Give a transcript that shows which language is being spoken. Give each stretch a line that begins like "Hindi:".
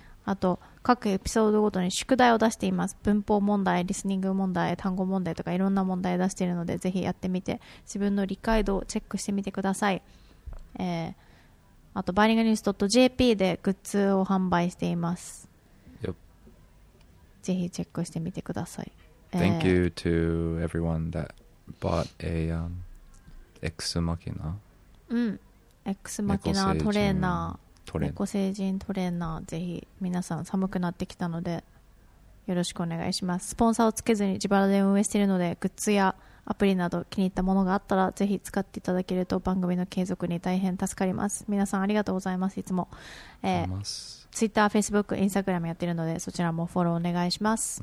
Japanese: あと各エピソードごとに宿題を出しています。文法問題、リスニング問題、単語問題とかいろんな問題を出しているので、ぜひやってみて自分の理解度をチェックしてみてください。あとバイリンガルニュース .jp でグッズを販売しています。ぜひチェックしてみてください。
English: Thank you to everyone that bought a X マキナ、
Japanese: X マキナトレーナー、猫星人トレーナー、ぜひ皆さん寒くなってきたのでよろしくお願いします。スポンサーをつけずに自腹で運営しているので、グッズやアプリなど気に入ったものがあったらぜひ使っていただけると番組の継続に大変助かります。皆さんありがとうございます。いつも、Twitter、Facebook、Instagram やっているので、そちらもフォローお願いします。